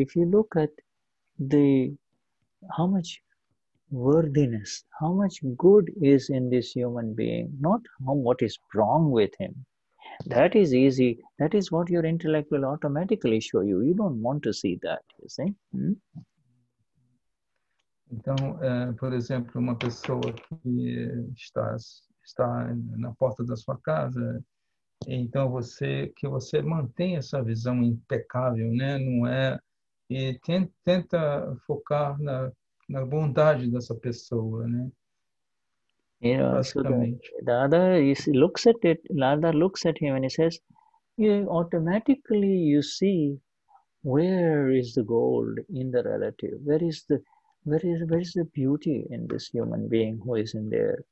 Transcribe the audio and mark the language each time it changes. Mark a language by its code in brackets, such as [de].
[en] If you look at the how much worthiness, how much good is in this human being, not what is wrong with him. That is easy. That is what your intellect will automatically show you. You don't want to see that, you see? Hmm? [pt] Então, por exemplo, uma pessoa que está na porta da sua casa, então você mantém essa visão impecável, né? Não é, e tenta focar na bondade dessa pessoa, né? [en] You know, so the other is, looks at it, Lada looks at him and he says, you automatically you see where is the gold in the relative, where is the beauty in this human being who is in there.